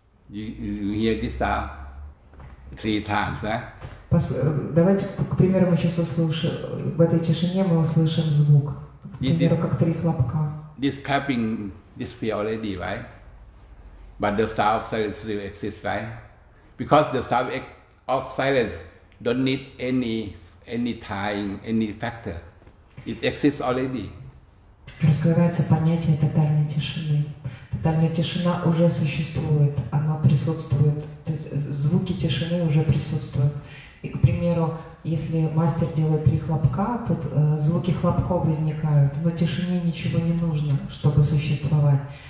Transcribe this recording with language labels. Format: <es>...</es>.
<en>Yeah. You hear this sound three times, eh?</en> <ru>Давайте, к примеру, мы сейчас услышим, в этой тишине мы услышим звук, к примеру, как три хлопка.</ru> <en>This clapping disappear already, right? But the sound of silence still exists, right? Because the sound of silence don't need any time, any factor. It exists already.</en> <ru>Раскрывается понятие тотальной тишины. Тотальная тишина уже существует, она присутствует. То есть звуки тишины уже присутствуют. И, к примеру, если мастер делает три хлопка, то звуки хлопков возникают, но тишине ничего не нужно, чтобы существовать.</ru>